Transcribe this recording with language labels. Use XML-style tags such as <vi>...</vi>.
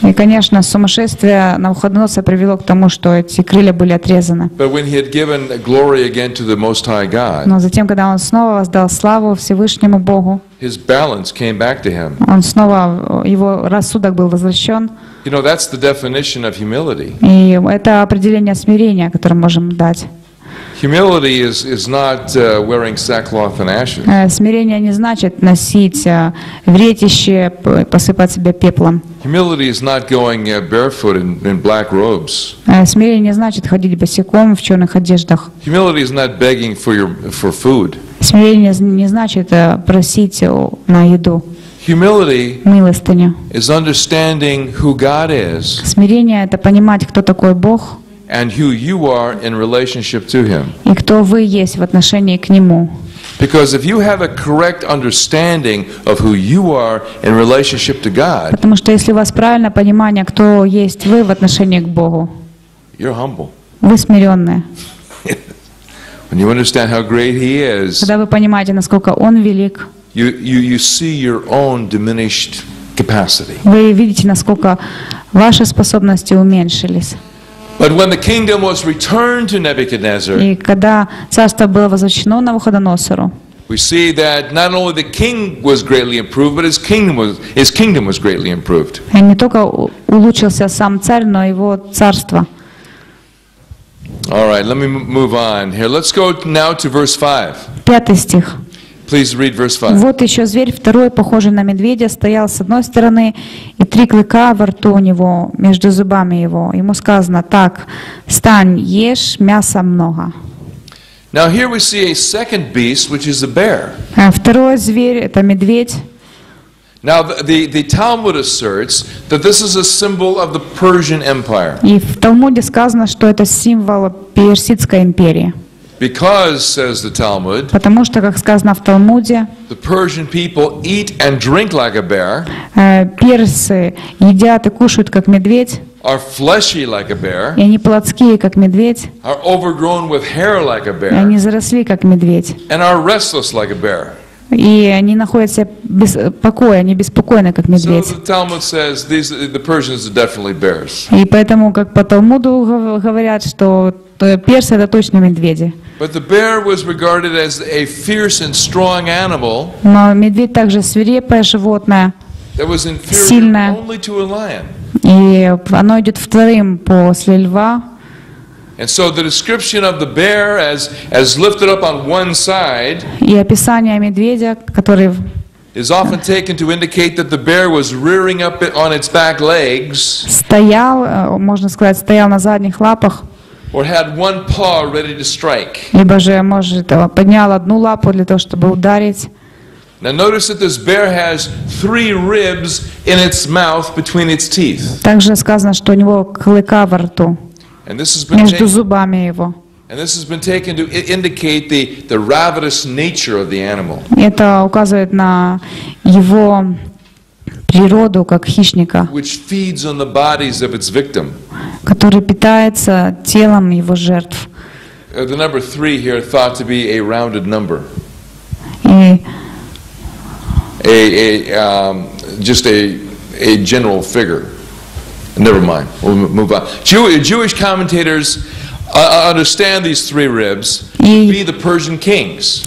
<ru>И конечно, сумасшествие Навуходоносора привело к тому, что эти крылья были отрезаны.</ru> <en>But when he had given glory again to the Most High God.</en> <ru>Но затем, когда он снова воздал славу Всевышнему Богу.</ru> <en>His balance came back to him.</en> <ru>Он снова его рассудок был возвращен.</ru> <en>You know, that's the definition of humility.</en> <ru>И это определение смирения, которое можем дать.</ru> <en>Humility is not wearing sackcloth and ashes.</en> <ru>Смирение не значит носить вретище, посыпать себя пеплом.</ru> <en>Humility is not going barefoot in black robes.</en> <ru>Смирение не значит ходить босиком в черных одеждах.</ru> <en>Humility is not begging for food.</en> <ru>Смирение не значит просить на еду.</ru> <en>Humility</en> <ru>милостыню.</ru> <en>Is understanding who God is.</en> <ru>Смирение это понимать, кто такой Бог.</ru> <en>And who you are in relationship to him.</en> <ru>И кто вы есть в отношении к нему.</ru> <en>Because if you have a correct understanding of who you are in relationship to God.</en> <ru>Потому что если у вас правильное понимание, кто есть вы в отношении к Богу.</ru> <en>You're humble.</en> <ru>Вы смиренные.</ru> <en>When you understand how great he is.</en> <ru>Когда вы понимаете, насколько он велик.</ru> <en>You see your own diminished capacity.</en> <ru>Вы видите, насколько ваши способности уменьшились.</ru> <en>But when the kingdom was returned to Nebuchadnezzar,</en> <ru>и когда царство было возвращено Навуходоносору,</ru> <en>we see that not only the king was greatly improved, but his kingdom was greatly improved.</en> <ru>И не только улучшился сам царь, но его царство.</ru> <en>All right, let me move on here. Let's go now to verse 5.</en> <ru>Пятый стих.</ru> <en>Please read verse 5.</en> <ru>Вот еще зверь второй, похожий на медведя, стоял с одной стороны, и три клыка во рту у него, между зубами его. Ему сказано: так, встань, ешь, мяса много.</ru> <en>Now here we see a second beast, which is a bear.</en> <ru>Второй зверь это медведь.</ru> <en>Now the Talmud asserts that this is a symbol of the Persian Empire.</en> <ru>И в Талмуде сказано, что это символ Персидской империи.</ru> <en>Because, says the Talmud,</en> <ru>потому что, как сказано в Талмуде,</ru> <en>the Persian people eat and drink like a bear.</en> <ru>Персы едят и кушают как медведь.</ru> <en>Are fleshy like a bear.</en> <ru>И они плотские как медведь.</ru> <en>Are overgrown with hair like a bear.</en> <ru>И они заросли как медведь.</ru> <en>And are restless like a bear.</en> <ru>И они находятся без покоя, они беспокойны как медведь.</ru> <en>So the Talmud says the Persians are definitely bears.</en> <ru>И поэтому, как по Талмуду говорят, что персы это точно медведи.</ru> <en>But the bear was regarded as a fierce and strong animal.</en> <ru>Но медведь также свирепое животное.</ru> <en>That was inferior</en> <ru>сильное.</ru> <en>Only to a lion.</en> <ru>И оно идет вторым после льва.</ru> <en>And so the description of the bear as lifted up on one side.</en> <ru>И описание медведя, который</ru> <en>is often taken to indicate that the bear was rearing up on its back legs.</en> <ru>Стоял, можно сказать, стоял на задних лапах.</ru> <en>Or had one paw ready to strike.</en> <ru>Либо же, может, поднял одну лапу для того, чтобы ударить.</ru> <en>Now notice that this bear has three ribs in its mouth between its teeth.</en> <ru>Также сказано, что у него клыка во рту.</ru> <en>And this has been</en> <ru>между зубами его.</ru> <en>And this has been taken to indicate the ravenous nature of the animal.</en> <ru>Это указывает на его природу как хищника,</ru> <en>which feeds on the bodies of its victim,</en> <ru>который питается телом его жертв.</ru> <en>The number three here thought to be a rounded number.</en> <ru>И</ru> <en>just a general figure. Never mind. We'll move on. Jewish commentators understand these three ribs to be the Persian kings.</en>